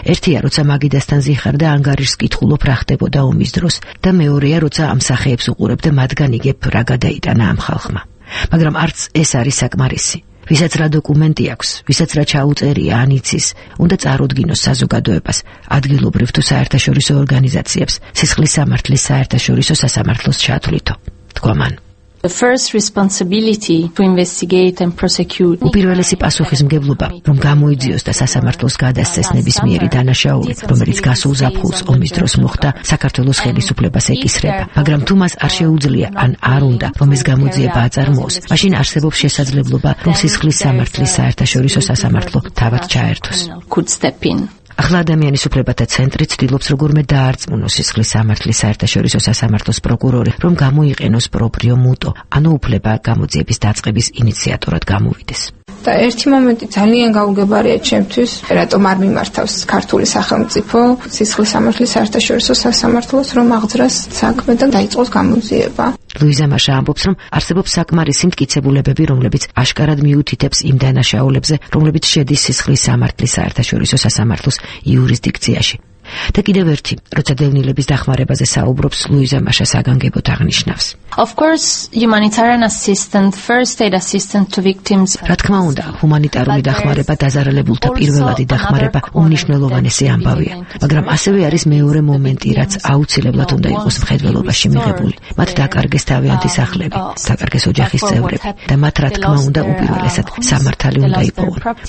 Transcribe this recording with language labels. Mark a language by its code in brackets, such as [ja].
[ka] ერთია, როცა მაგიდასთან ზიხარ და ანგარიშს კითხულობ რა ხდებოდა ომის დროს, და მეორეა, როცა ამ სახეებს უყურებ და მათგან იგებ რა გადაიტანა ამ ხალხმა. მაგრამ არც ეს არის საკმარისი. ვისაც რა დოკუმენტი აქვს, ვისაც რა ჩაუწერია, ან იცის, უნდა წარუდგინოს საზოგადოებას, ადგილობრივ თუ საერთაშორისო ორგანიზაციებს, სისხლის სამართლის საერთაშორისო სასამართლოს ჩათვლითო. თქვა მან. [en] The first responsibility to investigate and prosecute. [ka] უპირველესი პასუხისმგებლობა, რომ გამოიძიოს და სასამართლოს გადასცეს ნებისმიერი დანაშაული, რომელიც გასულ ზაფხულს ომის დროს მოხდა, საქართველოს ხელისუფლებას ეკისრება. მაგრამ თუ მას არ შეუძლია ან არ უნდა, რომ ეს გამოძიება აწარმოოს, მაშინ არსებობს შესაძლებლობა, რომ სისხლის სამართლის საერთაშორისო სასამართლო თავად ჩაერთოს. ახლა ადამიანის უფლებათა ცენტრი ცდილობს როგორმე დაარწმუნოს სისხლის სამართლის საერთაშორისო სასამართლოს პროკურორი, რომ გამოიყენოს პროპრიო მუტო, ანუ უფლება გამოძიების დაწყების ინიციატორად გამოვიდეს. და ერთი მომენტი ძალიან გაუგებარია ჩემთვის, რატომ არ მიმართავს ქართული სახელმწიფო სისხლის სამართლის საერთაშორისო სასამართლოს, რომ აღძრას საქმე და დაიწყოს გამოძიება. ლუიზა მაშა ამბობს, რომ არსებობს საკმარისი მტკიცებულებები, რომლებიც აშკარად მიუთითებს იმ დანაშაულებზე, რომლებიც შედის სისხლის სამართლის საერთაშორისო სასამართლოს იურისდიქციაში. და კიდევ ერთი, როცა დევნილების დახმარებაზე საუბრობს, ლუიზა მაშა საგანგებოდ აღნიშნავს. [en] Of course, humanitarian assistance, first aid assistance to victims. [ka] რა თქმა უნდა, ჰუმანიტარული დახმარება დაზარალებულთა პირველადი დახმარება უმნიშვნელოვანესი ამბავია, მაგრამ ასევე არის მეორე მომენტი, რაც აუცილებლად უნდა იყოს მხედველობაში მიღებული. მათ დაკარგეს თავიანთი სახლები, დაკარგეს ოჯახის წევრები და მათ რა თქმა უნდა უპირველესად სამართალი უნდა იპოვონ.